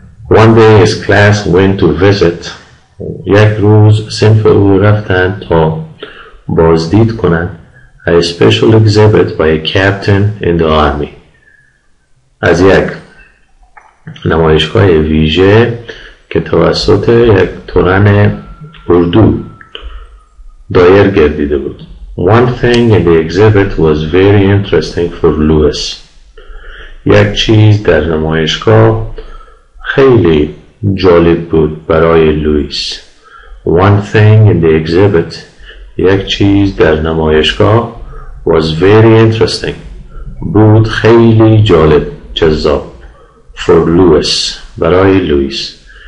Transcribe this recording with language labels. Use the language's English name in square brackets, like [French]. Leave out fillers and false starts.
[English] One day his class went to visit. [Persian] یک روز صنف او رفتن تا بازدید کنن [English] a special exhibit by a captain in the army. [Persian] از یک نمایشگاه ویژه که توسط یک تورن اردو دایر گردیده بود. [English] One thing in the exhibit was very interesting for Louis. [Persian] یک چیز در نمایشگاه خیلی جالب بود برای لوئیس. [English] One thing in the exhibit, [Persian] یک چیز در نمایشگاه [English] was very interesting. [Persian] بود خیلی جالب جذاب. [English] For Louis, [Persian] برای لوئیس.